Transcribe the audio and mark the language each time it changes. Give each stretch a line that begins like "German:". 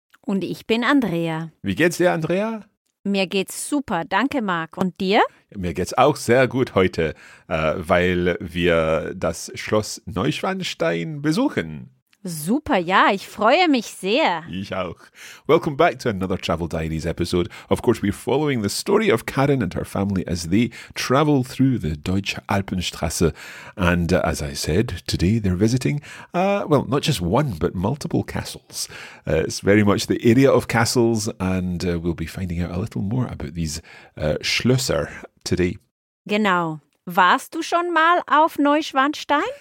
German: Und ich bin Andrea. Wie geht's dir, Andrea? Mir geht's super, danke Marc. Und dir? Mir geht's auch sehr gut heute, weil wir das Schloss Neuschwanstein besuchen. Super, ja, ich freue mich sehr. Ich auch.
English: Welcome back to another Travel Diaries episode. Of course, we're following the story of Karin and her family as they travel through the Deutsche Alpenstraße. And as I said, today they're visiting, well, not just one, but multiple castles. It's very much the area of castles, and we'll be finding out a little more about these Schlösser today.
German: Genau. Warst du schon mal auf Neuschwanstein?